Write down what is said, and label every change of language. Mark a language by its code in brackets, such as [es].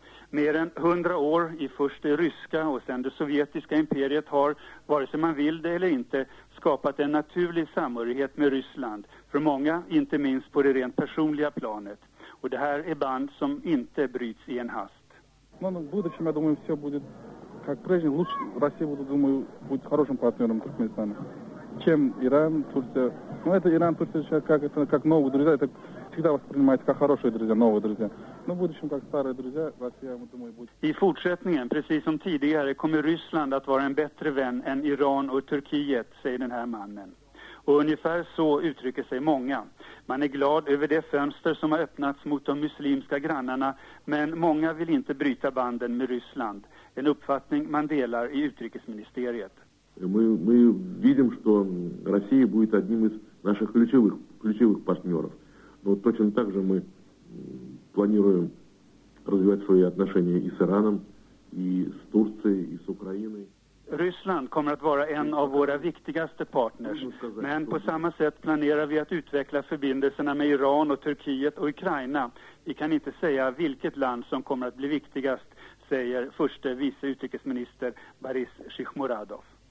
[sv] Mer än 100 år i först det ryska och sen det sovjetiska imperiet har, vare sig man vill det eller inte, skapat en naturlig samhörighet med Ryssland. För många, inte minst på det rent personliga planet. Och det här är band som inte bryts i en hast. [ru] Но в будущем, я думаю, все будет как прежде. Лучше Россия, буду, думаю, будет хорошим партнером Туркменистана, чем Иран, Турция. Ну, это Иран, Турция сейчас как новые друзья. Это всегда воспринимается как хорошие друзья, новые друзья. Но в будущем, как старые друзья, Россия, я думаю, будет... И в [sv] fortsättningen, precis som tidigare, kommer Ryssland att vara en bättre vän än Iran och Turkiet, säger den här mannen. Och ungefär så uttrycker sig många. Man är glad över det fönster som har öppnats mot de muslimska grannarna, men många vill inte bryta banden med Ryssland. En uppfattning man delar i utrikesministeriet. Мы видим, что Россия будет одним из наших ключевых партнеров. Но точно так же мы планируем развивать свои отношения и с Ираном, и с Турцией, и с Украиной. Ryssland kommer att vara en av våra viktigaste partners, men på samma sätt planerar vi att utveckla förbindelserna med Iran och Turkiet och Ukraina. Vi kan inte säga vilket land som kommer att bli viktigast, säger förste vice utrikesminister Boris Shikhmuradov.